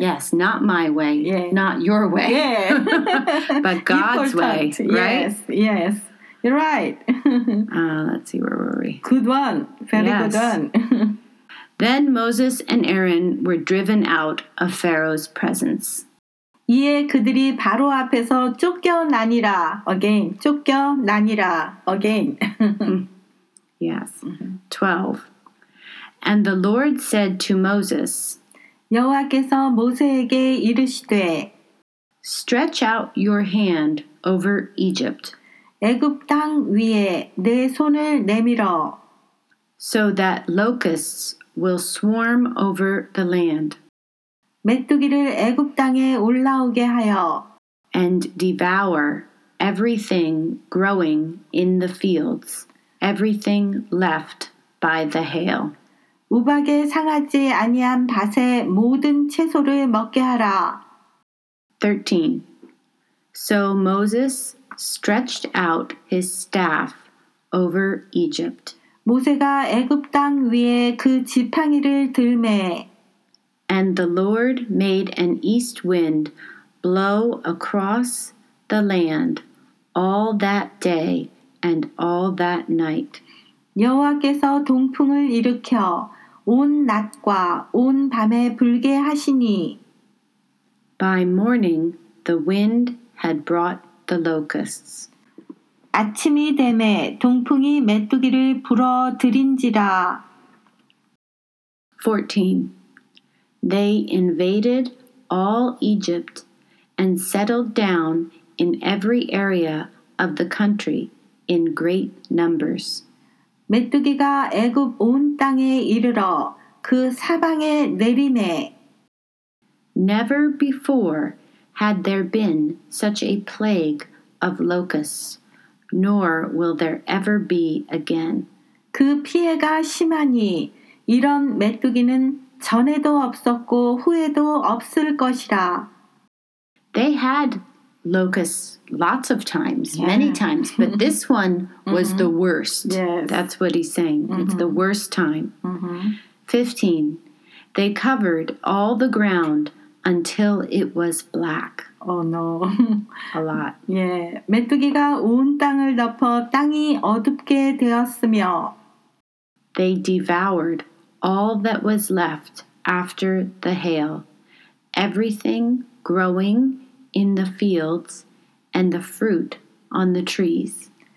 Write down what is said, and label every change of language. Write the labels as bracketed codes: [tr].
[en] Yes. Not my way. Yeah. Not your way. Yeah. but God's Important. Way. Right? Yes. Yes. You're right. let's see, where were we? Good one. Very yes. good one. then Moses and Aaron were driven out of Pharaoh's presence. [ko] 이에 그들이 바로 앞에서 쫓겨나니라. [en] Again. [ko] 쫓겨나니라. [en] Again. yes. 12. And the Lord said to Moses, [ko] 여호와께서 모세에게 이르시되, [en] Stretch out your hand over Egypt. [ko] 애굽 땅 위에 내 손을 내밀어. [en] So that locusts will swarm over the land. [ko] 메뚜기를 애굽 땅에 올라오게 하여. [en] And devour everything growing in the fields, everything left by the hail. [ko] 우박에 상하지 아니한 밭의 모든 채소를 먹게 하라. [en] 13. So Moses stretched out his staff over Egypt. [ko] 모세가 애굽 땅 위에 그 지팡이를 들매. [en] And the Lord made an east wind blow across the land all that day and all that night. [ko] 여호와께서 동풍을 일으켜 온 낮과 온 밤에 불게 하시니. [en] By morning, the wind had brought the locusts. [ko] 아침이 되매 동풍이 메뚜기를 불어들인지라. [en] 14. They invaded all Egypt and settled down in every area of the country in great numbers. [ko] 메뚜기가 애굽 온 땅에 이르러 그 사방에 내리매. [en] Never before had there been such a plague of locusts, nor will there ever be again. [ko] 그 피해가 심하니 이런 메뚜기는 전에도 없었고 후에도 없을 것이라. [en] They had locusts lots of times, yeah. many times, but this one was mm-hmm. the worst. Yes. That's what he's saying. Mm-hmm. It's the worst time. Mm-hmm. 15. They covered all the ground until it was black. Oh no. A lot. Yeah. [ko] 메뚜기가 온 땅을 덮어 땅이 어둡게 되었으며. [en] They devoured all that was left after the hail, everything growing in the fields and the fruit on the trees.